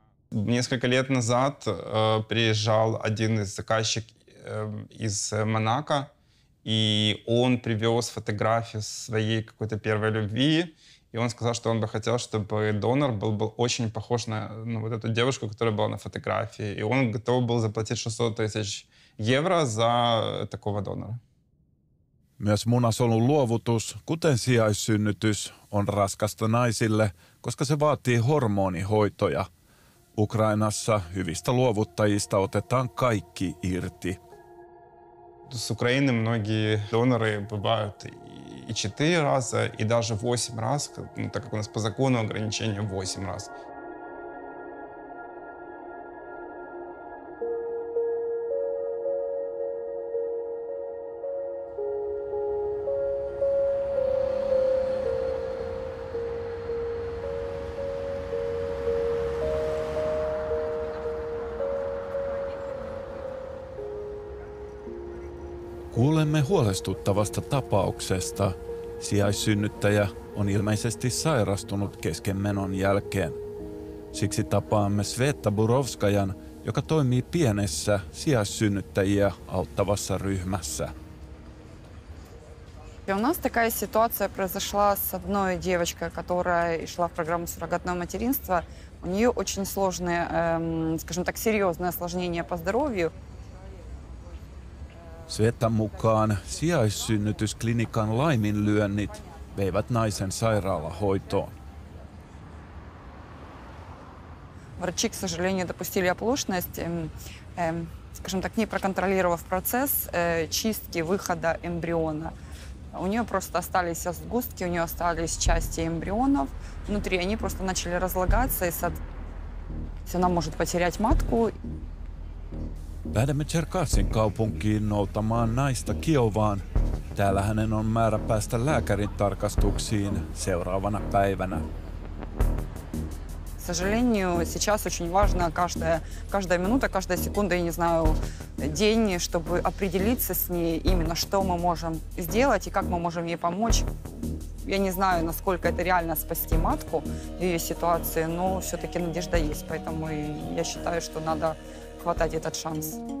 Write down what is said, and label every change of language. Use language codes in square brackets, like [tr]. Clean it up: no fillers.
[ru] Несколько лет назад приезжал один из заказчиков из Монако, и он привез фотографию своей какой-то первой любви, и он сказал, что он бы хотел, чтобы донор был очень похож на вот эту девушку, которая была на фотографии. И он готов был заплатить 600 тысяч евро за такого донора. [fi] Myös munasolun luovutus, kuten sijaissynnytys, on raskasta naisille, koska se vaatii hormonihoitoja. Ukrainassa hyvistä luovuttajista otetaan kaikki irti. [ru] С Украины многие доноры бывают и 4 раза, и даже 8 раз, ну, так как у нас по закону ограничение 8 раз. [fi] Kuulemme huolestuttavasta tapauksesta. Sijaissynnyttäjä on ilmeisesti sairastunut kesken menon jälkeen. Siksi tapaamme Sveta Burovskajan, joka toimii pienessä sijaissynnyttäjiä auttavassa ryhmässä. [ru] У нас такая ситуация произошла с одной девочкой, которая шла в программу суррогатного материнства. У неё очень сложные, скажем так, серьёзные осложнения по здоровью. [fi] Svetan mukaan sijaissynnytysklinikan laiminlyönnit veivät naisen sairaalahoitoon. [ru] Врачи, к сожалению, допустили оплошность, скажем так, не проконтролировав процесс чистки выхода эмбриона. У нее просто остались сгустки, у нее остались части эмбрионов внутри, они просто начали разлагаться, и она может потерять матку. [fi] Lähdemme Черкассин kaupunkiin noutamaan naista Kiovaan. Täällä hänen on määrä päästä lääkärin tarkastuksiin seuraavana päivänä. [ru] К сожалению, сейчас очень важно каждая минута, каждая секунда, я не знаю, день, чтобы определиться с ней именно, что мы можем сделать и как мы можем ей помочь. Я не знаю, насколько это реально спасти матку в ее ситуации, но все-таки надежда есть, поэтому я считаю, что надо хватать этот шанс.